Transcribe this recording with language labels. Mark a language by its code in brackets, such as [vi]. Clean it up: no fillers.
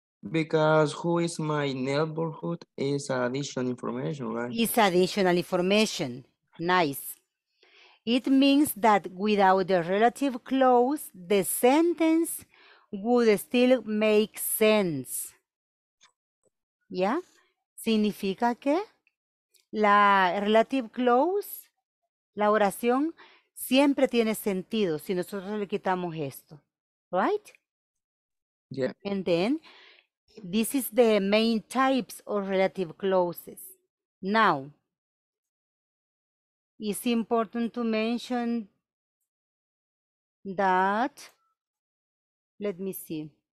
[en] Because who is my neighborhood is additional information, right? It's additional information. Nice. It means that without the relative clause, the sentence would still make sense. [es] ¿Ya? Significa que la relative clause, la oración, siempre tiene sentido si nosotros le quitamos esto. [en] Right? Yeah. And then, this is the main types of relative clauses. Now, it's important to mention that, let me see.